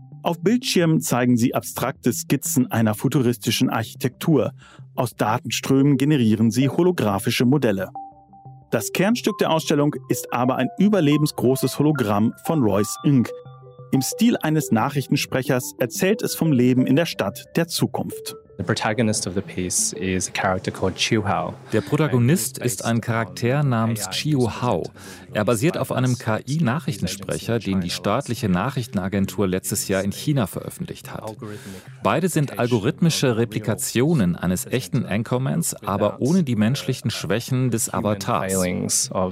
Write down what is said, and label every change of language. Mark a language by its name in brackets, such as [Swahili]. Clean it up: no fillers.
[German] Auf Bildschirmen zeigen sie abstrakte Skizzen einer futuristischen Architektur. Aus Datenströmen generieren sie holographische Modelle. Das Kernstück der Ausstellung ist aber ein überlebensgroßes Hologramm von Royce Ng. Im Stil eines Nachrichtensprechers erzählt es vom Leben in der Stadt der Zukunft. [English] The protagonist of the piece is a character called Chiu Hao. [German] Der Protagonist ist ein Charakter namens Chiu Hao. Er basiert auf einem KI-Nachrichtensprecher, den die staatliche Nachrichtenagentur letztes Jahr in China veröffentlicht hat. Beide sind algorithmische Replikationen eines echten Anchormans, aber ohne die menschlichen Schwächen des Avatars.